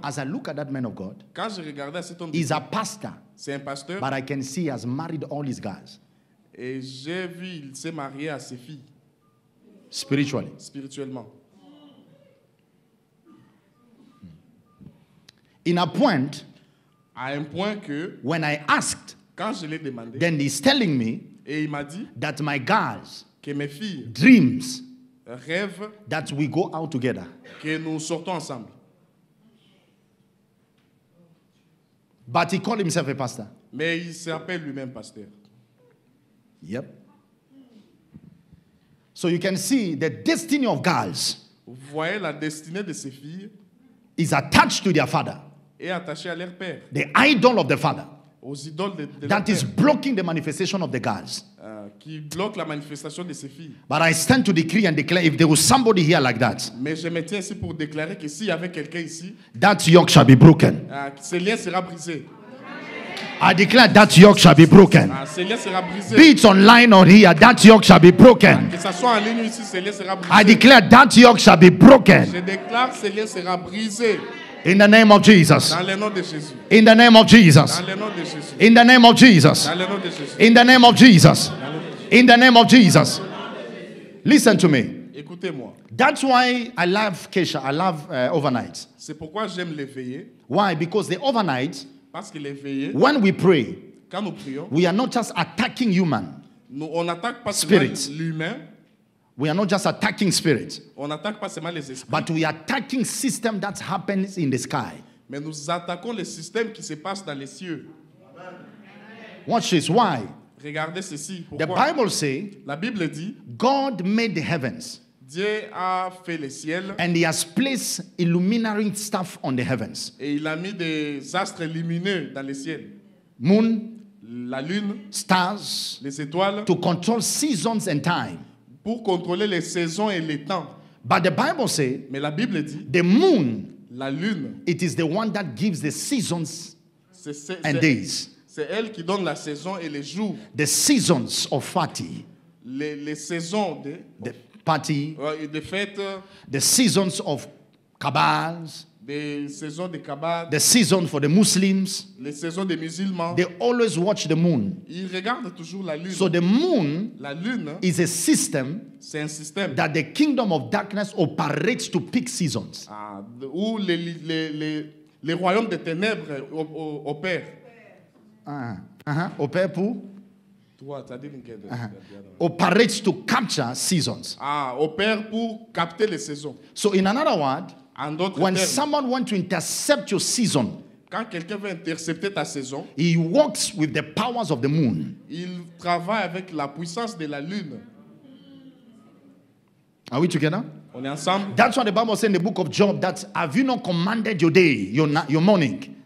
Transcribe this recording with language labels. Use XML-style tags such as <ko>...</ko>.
<en>As I look at that man of God.</en> <fr>Quand je regardais cet homme.</fr> <en>He's a pastor.</en> <fr>C'est un pasteur.</fr> <en>But I can see he has married all his girls.</en> <fr>Et j'ai vu il s'est marié à ses filles.</fr> <en>Spiritually.</en> <fr>Spirituellement.</fr> <en>In a point,</en> <fr>à un point que,</fr> <en>when I asked,</en> <fr>quand je l'ai demandé,</fr> <en>then he's telling me</en> <fr>et il m'a dit,</fr> <en>that my girls,</en> <fr>que mes filles,</fr> <en>dreams,</en> <fr>rêve,</fr> <en>that we go out together,</en> <fr>que nous sortons ensemble.</fr> <en>But he called himself a pastor.</en> <fr>Mais il s'appelle lui-même pasteur.</fr> <en>Yep. So you can see the destiny of girls.</en> <fr>Vous voyez la destinée de ces filles.</fr> <en>Is attached to their father.</en> <fr>Et attaché à leur père.</fr> <en>The idol of the father.</en> <fr>Aux idoles de leur that père.</fr> <en>Is blocking the manifestation of the girls.</en> <fr>Qui bloque la manifestation de ses filles.</fr> <en>But I stand to decree and declare if there was somebody here like that.</en> <fr>Mais je me tiens ici pour déclarer que s'il y avait quelqu'un ici.</fr> <en>That yoke shall be broken.</en> <fr>Ce lien sera brisé.</fr> <en>I declare that yoke shall be broken.</en> <fr>Ce lien sera brisé.</fr> <en>Be it online or here, that yoke shall be broken.</en> <fr>Que ça soit en ligne ici, ce lien sera brisé.</fr> <en>I declare that yoke shall be broken.</en> <fr>Je déclare ce lien sera brisé.</fr> <en>In the name of Jesus.</en> <fr>Dans le nom de Jésus.</fr> <en>In the name of Jesus.</en> <fr>Dans le nom de Jésus.</fr> <en>In the name of Jesus.</en> <fr>Dans le nom de Jésus.</fr> <en>In the name of Jesus. In the name of Jesus. Listen to me.</en> <fr>Écoutez-moi.</fr> <en>That's why I love Kesha. I love overnight.</en> <fr>C'est pourquoi j'aime l'éveillé.</fr> <en>Why? Because the overnight.</en> <fr>Parce qu'il est veillé,</fr> <en>when we pray,</en> <fr>quand nous prions,</fr> <en>we are not just attacking human</en> <fr>nous, on attaque pas</fr> <en>spirit.</en> <fr>L'humain,</fr> <en>we are not just attacking spirit.</en> <fr>On attaque pas seulement les esprits,</fr> <en>but we are attacking system that happens in the sky.</en> <fr>Mais nous attaquons les systèmes qui se passent dans les cieux.</fr> <en>Watch this. Why?</en> <fr>Regardez ceci. Pourquoi?</fr> <en>The Bible say,</en> <fr>la Bible dit,</fr> <en>God made the heavens.</en> <fr>Dieu a fait le ciel.</fr> <en>And he has placed illuminary stuff on the heavens.</en> <fr>Et il a mis des astres lumineux dans le ciel.</fr> <en>Moon.</en> <fr>La lune.</fr> <en>Stars.</en> <fr>Les étoiles.</fr> <en>To control seasons and time.</en> <fr>Pour contrôler les saisons et les temps.</fr> <en>But the Bible say,</en> <fr>mais la Bible dit,</fr> <en>the moon.</en> <fr>La lune.</fr> <en>It is the one that gives the seasons</en> <fr>c'est</fr> <en>days.</en> <fr>C'est elle qui donne la saison et les jours.</fr> <en>The seasons of party.</en> <fr>Les saisons de</fr> <en>party, the fête, the seasons of cabals, The season for the Muslims.</en> <fr>Les saisons des musulmans.</fr> <en>They always watch the moon.</en> <fr>Ils regardent toujours la lune.</fr> <en>So the moon,</en> <fr>la lune,</fr> <en>is a system.</en> <fr>C'est un système.</fr> <en>That the kingdom of darkness operates to pick seasons.</en> <fr>Ah, où les royaumes des ténèbres opèrent. Opère pour?</fr> <en>What? I didn't get it. Operates to capture seasons.</en> <fr>Ah, opère pour capter les saisons.</fr> <en>So in another word. When someone wants to intercept your season,</en> <fr>quand quelqu'un veut intercepter ta saison,</fr> <en>he works with the powers of the moon.</en> <fr>Il travaille avec la puissance de la lune.</fr> <en>Are we together?</en> <fr>On est ensemble.</fr> <en>That's what the Bible says in the book of Job, that have you not commanded your day, your morning?</en>